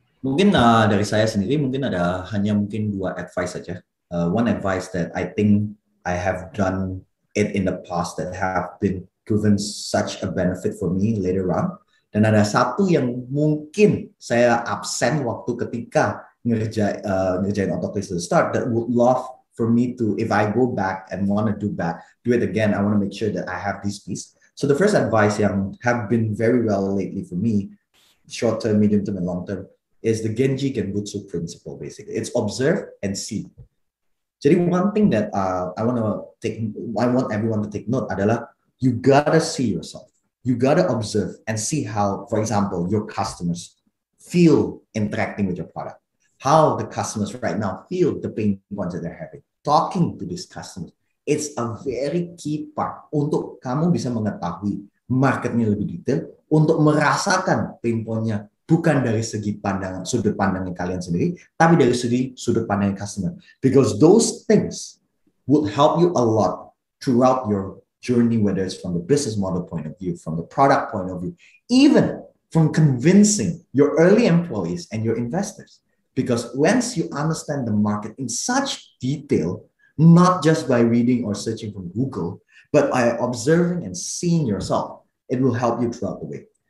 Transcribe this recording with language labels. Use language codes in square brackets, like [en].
[id] Mungkin dari saya sendiri mungkin ada hanya mungkin dua advice saja. [en] One advice that I think I have done it in the past that have been proven such a benefit for me later on. [id] Dan ada satu yang mungkin saya absen waktu ketika ngerjain [en] autocase to the start that would love for me to, if I go back and want to do it again, I want to make sure that I have this piece. So the first advice [id] yang [en] have been very well lately for me, short term, medium term, and long term, is the Genji Genbutsu principle, basically. It's observe and see. [id] Jadi [en] one thing that I want everyone to take note [id] adalah [en] you gotta see yourself. You gotta observe and see how, for example, your customers feel interacting with your product. How the customers right now feel the pain points that they're having. Talking to these customers, it's a very key part [id] untuk kamu bisa mengetahui marketnya lebih detail, untuk merasakan pain pointnya bukan dari segi pandangan sudut pandangnya kalian sendiri, tapi dari segi sudut pandangnya customer. [en] Because those things would help you a lot throughout your journey, whether it's from the business model point of view, from the product point of view, even from convincing your early employees and your investors. Because once you understand the market in such detail, not just by reading or searching from Google, but by observing and seeing yourself, it will help you throughout the way.